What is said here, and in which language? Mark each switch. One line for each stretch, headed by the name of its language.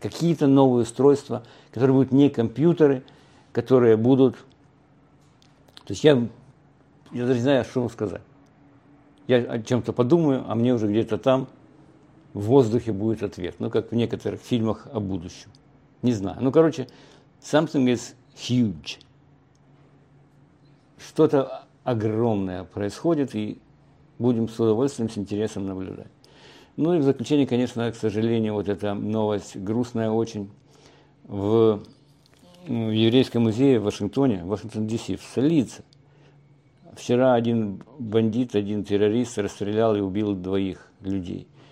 Russian: Какие-то новые устройства, которые будут не компьютеры, которые будут... То есть я даже не знаю, что вам сказать. Я о чем-то подумаю, а мне уже где-то там в воздухе будет ответ. Ну, как в некоторых фильмах о будущем. Не знаю. Ну, короче,
English: something is huge.
Russian: Что-то огромное происходит, и будем с удовольствием, с интересом наблюдать. Ну и в заключение, конечно, к сожалению, вот эта новость грустная очень. В еврейском музее в Вашингтоне, в Вашингтон-Ди-Си, в столице, вчера один бандит, один террорист расстрелял и убил 2 людей.